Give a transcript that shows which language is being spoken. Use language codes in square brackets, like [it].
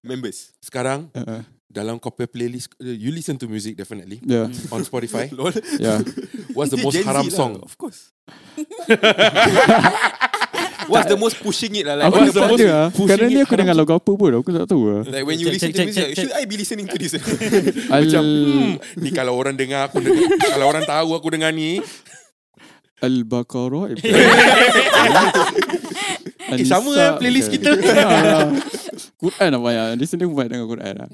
[en] Members, [ms] sekarang dalam [en] copy playlist, you listen to music definitely. Yeah. On Spotify. Lol. Yeah. What's the most haram song? Of course. What's the most pushing it? [ms] Aku tak tahu lah. Kadang ni aku dengar lagu apa pun, aku tak tahu lah. [en] Like when you listen to music, should I be listening to this? [ms] Macam, ni kalau orang dengar aku, kalau orang tahu aku dengar ni, Al-Baqarah. Sama lah playlist kita. Quran apa ya? Di sini aku banyak dengar Quran lah.